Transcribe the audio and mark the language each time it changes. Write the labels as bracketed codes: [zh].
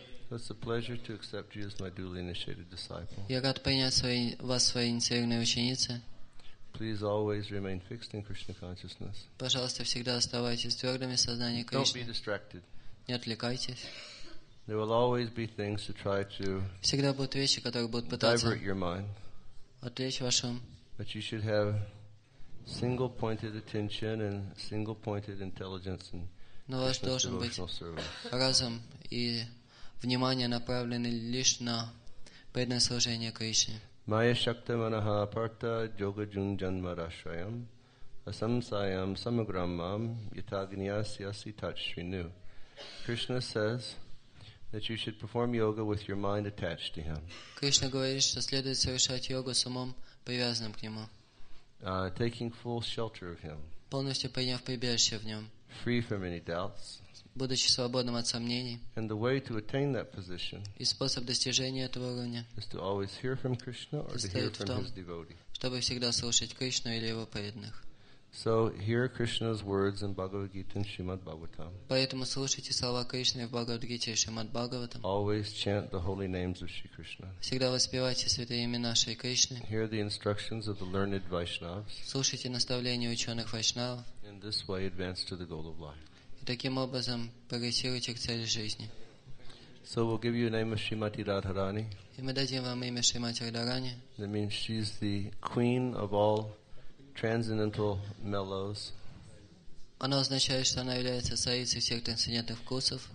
[en] It's a pleasure to accept you as my duly initiated disciple. [ru] Я рад принять вас своей инициированной ученицей. [en] Please always remain fixed in Krishna consciousness. [ru] Пожалуйста, всегда оставайтесь твердыми в сознании Кришны. [en] Don't be distracted. [ru] Не отвлекайтесь. [en] There will always be things to try to divert your mind. But you should have single-pointed attention and single-pointed intelligence and devotional service. [ru] Разум и внимание направлены лишь на преданное служение Кришне. [sa] Maya shakta manaha partha yoga jun janmarashrayam asamsayam samagrammam yatagniyasyasi tachshvinu. [en] Krishna says that you should perform yoga with your mind attached to him. [ru] Krishna говорит, что следует совершать йогу с умом привязанным к нему. [en] Taking full shelter of him. [ru] Полностью приняв прибежище в нем. [en] Free from any doubts. [ru] Будучи свободным от сомнений. [en] And the way to attain that position. [ru] И способ достижения этого уровня. [en] Is to always hear from Krishna or to hear from his devotee. [ru] Чтобы всегда слушать Кришну или его преданных. [en] So hear Krishna's words in Bhagavad Gita and Srimad Bhagavatam. [ru] Поэтому слушайте слова Кришны в Бхагавад Гите и Шримад Бхагаватам. [en] Always chant the holy names of Sri Krishna. [ru] Всегда воспевайте святые имена Шри Кришны. [en] Hear the instructions of the learned Vaishnavas. [ru] Слушайте наставления ученых Вайшнав. [en] In this way, advance to the goal of life. [ru] И таким образом прогрессируйте к цели жизни. [en] So we'll give you a name of Srimati Radharani. [ru] И мы дадим вам имя Шримати Радхарани. [en] That means she's the queen of all transcendental mellows. [ru] Она означает, что она является царицей всех трансцендентных вкусов.